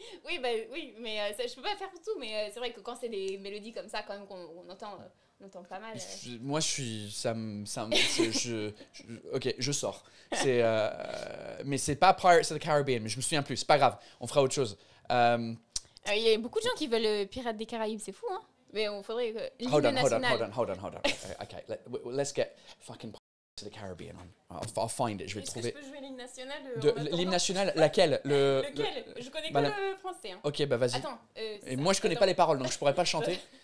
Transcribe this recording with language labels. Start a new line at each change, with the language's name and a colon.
French: Oui, bah oui, mais ça, je peux pas faire tout, mais c'est vrai que quand c'est des mélodies comme ça, quand même, qu'on entend pas mal. Moi, je suis. Ok, je sors. Mais c'est pas Pirates of the Caribbean, mais je me souviens plus, c'est pas grave, on fera autre chose. Il y a beaucoup de gens qui veulent Pirates des Caraïbes, c'est fou, hein. Mais on faudrait que...
English: Hold on. Okay, let's get fucking Pirates of the Caribbean on. I'll find it,
French: je vais le trouver. Est-ce que je peux jouer l'hymne national de l'hymne national, laquelle Je connais que le français. Hein. Ok, bah vas-y. Attends. Et moi, je connais pas les paroles, donc je pourrais pas chanter.